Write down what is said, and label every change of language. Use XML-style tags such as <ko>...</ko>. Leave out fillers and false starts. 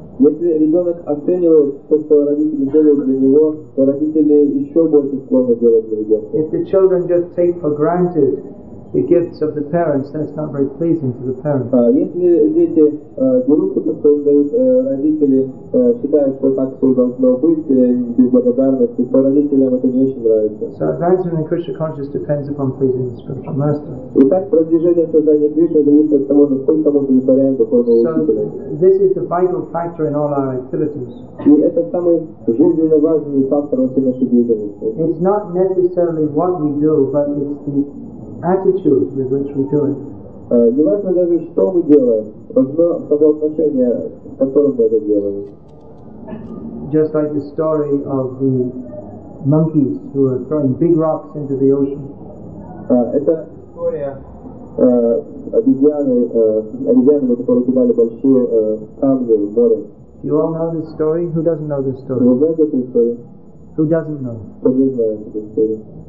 <ru>Если ребенок оценивает то, что родители делают для него, то родители еще больше склонны делать для ребенка.</ru> <en>If the children just take for granted the gifts of the parents, then it's not very pleasing to the parents.</en> <ru>Если дети берут то, что им дают родители, считая, что так все должно быть, без благодарности, то родителям это не очень нравится.</ru> <en>So advancement in Krishna consciousness depends upon pleasing the spiritual master.</en> <ru>Итак, продвижение сознания Кришны зависит от того, насколько мы удовлетворяем духовного учителя.</ru> <en>This is the vital factor in all our activities.</en> <ru>И это самый жизненно важный фактор во всей нашей деятельности.</ru> <en>It's not necessarily what we do, but it's the attitude with which we do it.</en> <ru>Не важно даже, что мы делаем, важно само отношение, с которым мы это делаем.</ru> <en>Just like the story of the monkeys who are throwing big rocks into the ocean.</en> <ru>Это история обезьяны, которые кидали большие камни в море.</ru> <en>You all know this story? Who doesn't know this story?</en> <ru>Вы знаете эту историю?</ru> <en>Who doesn't know?</en> <ru>Кто не знает эту историю?</ru>